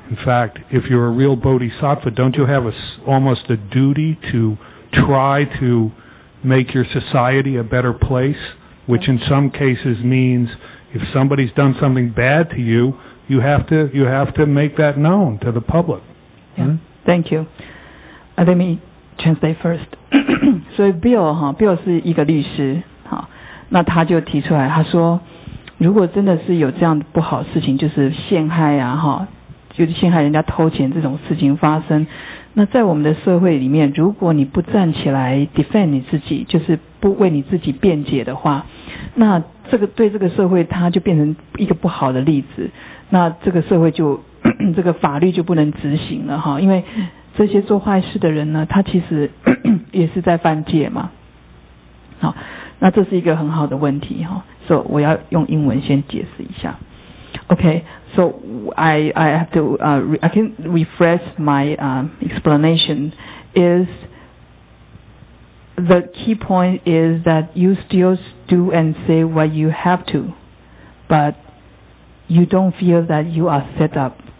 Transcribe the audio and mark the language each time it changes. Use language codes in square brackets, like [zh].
[en] In fact, if you're a real bodhisattva, don't you have almost a duty to try to make your society a better place, which in some cases means if somebody's done something bad to you, you have to make that known to the public. Yeah. Hmm? Thank you. Let me translate first. [zh] 所以 Bill 是一个律师，好，那他就提出来，他说如果真的是有这样不好的事情，就是陷害啊，哈，就是陷害人家偷钱这种事情发生，那在我们的社会里面，如果你不站起来 defend 你自己，就是不为你自己辩解的话，那这个对这个社会它就变成一个不好的例子，那这个社会就这个法律就不能执行了哈，因为这些做坏事的人呢，他其实也是在犯戒嘛。好，那这是一个很好的问题哈，所以我要用英文先解释一下。 [en] Okay, so I have to, I can rephrase my, explanation is the key point is that you still do and say what you have to, but you don't feel that you are set up.